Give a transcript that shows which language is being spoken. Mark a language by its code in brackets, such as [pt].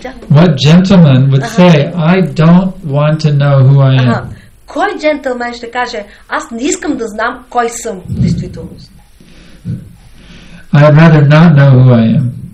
[en] What gentleman would say, I don't want to know who I am. [bg] Кой джентълмен ще каже, аз не искам да знам кой съм в действителност. [en] I would rather not know who I am.